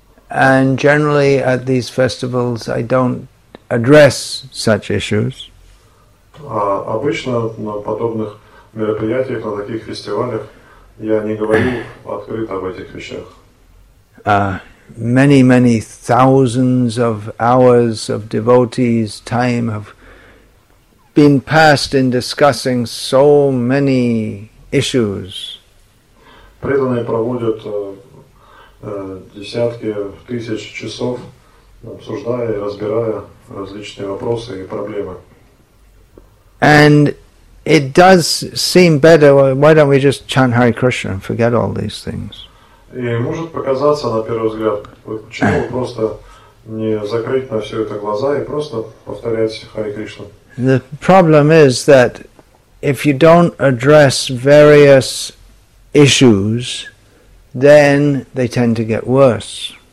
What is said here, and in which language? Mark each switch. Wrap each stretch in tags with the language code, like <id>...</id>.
<en>And generally at these festivals I don't address such issues.</en> <ru>Обычно на подобных мероприятиях, на таких фестивалях я не говорю открыто об этих вещах.</ru> <en>Many, many thousands of hours of devotees' time have been passed in discussing so many issues.</en> <ru>Преданные проводят десятки, тысяч часов, обсуждая и разбирая различные вопросы и проблемы.</ru> <en>And it does seem better, why don't we just chant Hare Krishna and forget all these things?</en> <ru>И может показаться на первый взгляд, почему просто не закрыть на все это глаза и просто повторять Hare Krishna.</ru> <en>The problem is that if you don't address various issues, then they tend to get worse.</en>